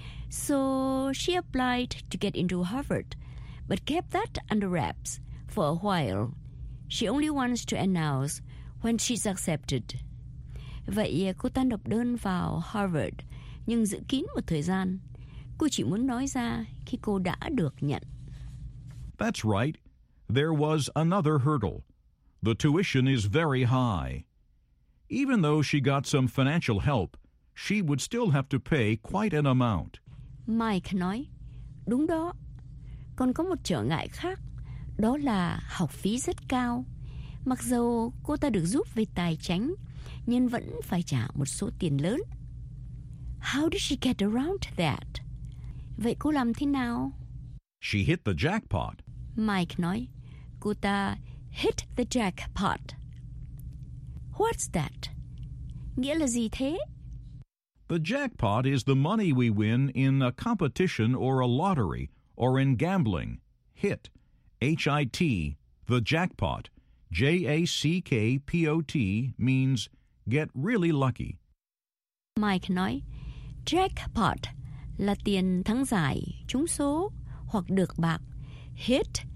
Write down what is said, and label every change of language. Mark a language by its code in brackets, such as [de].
[en] So she applied to get into Harvard, but kept that under wraps for a while. She only wants to announce when she's accepted. [vi] Vậy cô ta nộp đơn vào Harvard, nhưng giữ kín một thời gian. Cô chỉ muốn nói ra khi cô đã được nhận. [en] That's right. There was another hurdle. The tuition is very high. Even though she got some financial help, she would still have to pay quite an amount. [vi] Mike nói, đúng đó. Còn có một trở ngại khác, đó là học phí rất cao. Mặc dù cô ta được giúp về tài chính, nhưng vẫn phải trả một số tiền lớn. [en] How did she get around that? [vi] Vậy cô làm thế nào? [en] She hit the jackpot. [vi] Mike nói, cô ta [en] hit the jackpot. What's that? [vi] Nghĩa là gì thế? [en] The jackpot is the money we win in a competition or a lottery or in gambling. Hit. H-I-T. The jackpot. J-A-C-K-P-O-T means get really lucky. [vi] Mike nói, jackpot là tiền thắng giải, trúng số hoặc được bạc. Hit.